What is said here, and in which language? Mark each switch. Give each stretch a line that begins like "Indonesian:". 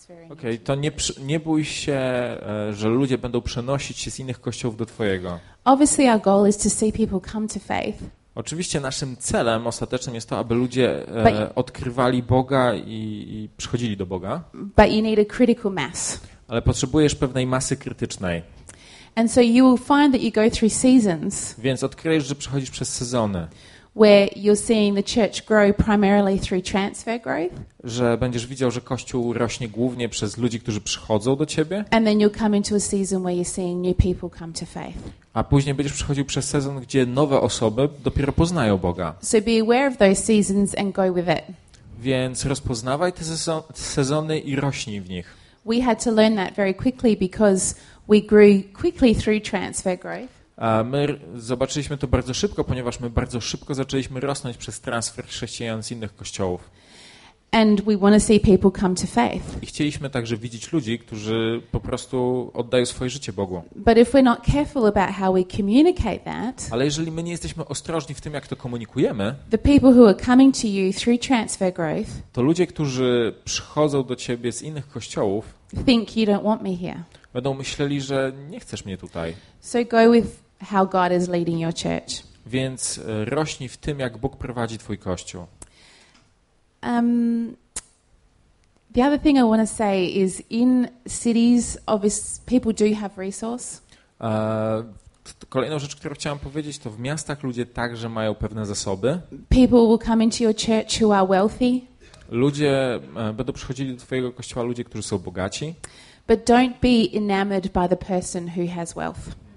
Polish: Okay, to nie bój się, że ludzie będą przenosić się z innych kościołów do twojego.
English: Obviously our goal is to see people come to faith.
Polish: Oczywiście naszym celem ostatecznym jest to, aby ludzie odkrywali Boga i przychodzili do Boga.
English: But you need a critical mass.
Polish: Ale potrzebujesz pewnej masy krytycznej.
English: And so you will find that you go through seasons.
Polish: Więc odkryjesz, że przechodzisz przez sezony.
English: Where you're seeing the church grow primarily through transfer growth.
Polish: Że będziesz widział, że kościół rośnie głównie przez ludzi, którzy przychodzą do ciebie.
English: And then you'll come into a season where you're seeing new people come to faith.
Polish: A później będziesz przechodził przez sezon, gdzie nowe osoby dopiero poznają Boga.
English: So be aware of those seasons and go with it.
Polish: Więc rozpoznawaj te sezony i rośnij w nich.
English: We had to learn that very quickly because we grew quickly through transfer growth.
Polish: A my zobaczyliśmy to bardzo szybko, ponieważ my bardzo szybko zaczęliśmy rosnąć przez transfer chrześcijan z innych kościołów.
English: and we want to see people come to faith.
Polish: I chcieliśmy także widzieć ludzi, którzy po prostu oddają swoje życie Bogu.
English: But if we're not careful about how we communicate that,
Polish: ale jeżeli my nie jesteśmy ostrożni w tym, jak to komunikujemy,
English: the people who are coming to you through transfer growth,
Polish: to ludzie, którzy przychodzą do ciebie z innych kościołów,
English: think you don't want me here.
Polish: Będą myśleli, że nie chcesz mnie tutaj.
English: So go with how God is leading your church.
Polish: Więc rośnij w tym, jak Bóg prowadzi twój kościół.
English: The other thing I want to say is in cities obviously people do have resource.
Polish: Kolejną rzecz, którą chciałam powiedzieć, to w miastach ludzie także mają pewne zasoby.
English: People will come into your church who are wealthy.
Polish: Ludzie będą przychodzili do twojego kościoła ludzie, którzy są bogaci.
English: But don't be enamored by the person who has wealth.